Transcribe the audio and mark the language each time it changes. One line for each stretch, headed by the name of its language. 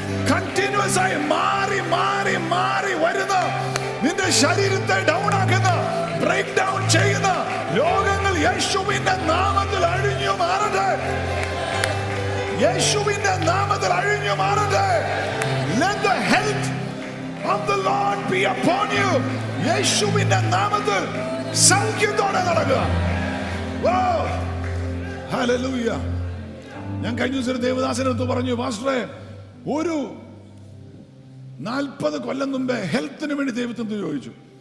Malayalam: Continuous ആയി മാറി മാറി മാറി വരുന്ന, നിന്റെ ശരീരത്തെ ഡൗൺ ആക്കുന്ന, ബ്രേക്ക് ഡൗൺ ചെയ്യുന്ന രോഗങ്ങൾ യേശുവിന്റെ നാമത്തിൽ അഴിഞ്ഞു മാറട്ടെ, യേശുവിന്റെ നാമത്തിൽ അഴിഞ്ഞു മാറട്ടെ.
English: Let the health of the Lord be upon you.
Malayalam: യേശുവിന്റെ നാമത്തിൽ സൗഖ്യത്തോടെ നടക്കുക. Hallelujah. ഞാൻ കഴിഞ്ഞ ദിവസം ദേവദാസിന്റെ അടുത്ത് പറഞ്ഞു, പാസ്റ്ററെ ഒരു 40 കൊല്ലം മുമ്പേ ഹെൽത്തിന് വേണ്ടി ദൈവത്തിന് ചോദിച്ചു.